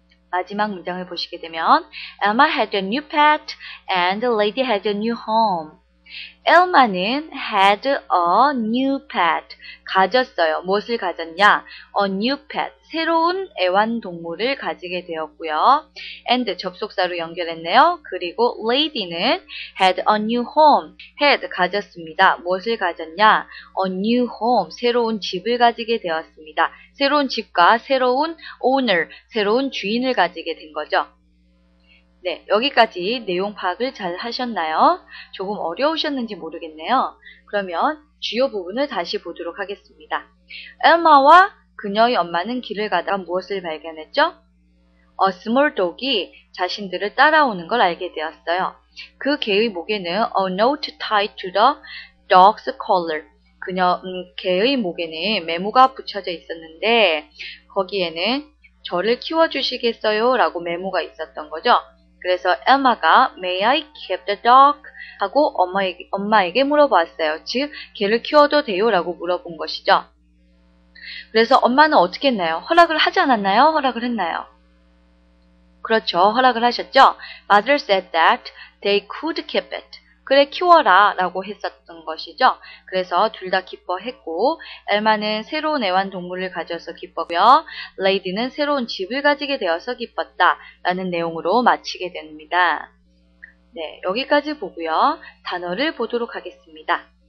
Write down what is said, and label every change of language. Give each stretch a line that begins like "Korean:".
Korean: 마지막 문장을 보시게 되면
English: Elma had a new pet and lady had a new home. 엘마는 had a new pet.
Korean: 가졌어요. 무엇을 가졌냐?
English: A new pet.
Korean: 새로운 애완동물을 가지게 되었고요. And 접속사로 연결했네요. 그리고
English: lady는 had a new home.
Korean: had 가졌습니다. 무엇을 가졌냐?
English: A new home.
Korean: 새로운 집을 가지게 되었습니다. 새로운 집과 새로운 owner, 새로운 주인을 가지게 된 거죠. 네, 여기까지 내용 파악을 잘 하셨나요? 조금 어려우셨는지 모르겠네요. 그러면 주요 부분을 다시 보도록 하겠습니다. 엘마와 그녀의 엄마는 길을 가다가 무엇을 발견했죠?
English: A small dog
Korean: 이 자신들을 따라오는 걸 알게 되었어요. 그 개의 목에는
English: a note tied to the dog's collar.
Korean: 그녀, 개의 목에는 메모가 붙여져 있었는데 거기에는 저를 키워주시겠어요? 라고 메모가 있었던 거죠. 그래서 엘마가
English: May I keep the dog?
Korean: 하고 엄마에게 물어봤어요. 즉, 개를 키워도 돼요? 라고 물어본 것이죠. 그래서 엄마는 어떻게 했나요? 허락을 하지 않았나요? 허락을 했나요? 그렇죠. 허락을 하셨죠.
English: Mother said that they could keep it.
Korean: 그래, 키워라 라고 했었던 것이죠. 그래서 둘 다 기뻐했고 엘마는 새로운 애완동물을 가져서 기뻤고요. 레이디는 새로운 집을 가지게 되어서 기뻤다 라는 내용으로 마치게 됩니다. 네, 여기까지 보고요. 단어를 보도록 하겠습니다.